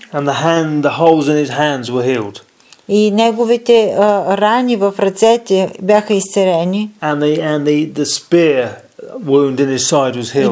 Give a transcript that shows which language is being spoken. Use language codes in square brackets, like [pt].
[en] And the hand, the holes in his hands were healed. [bg] И неговите рани в ръцете бяха изцерени. [en] And the spear wound in his side was healed.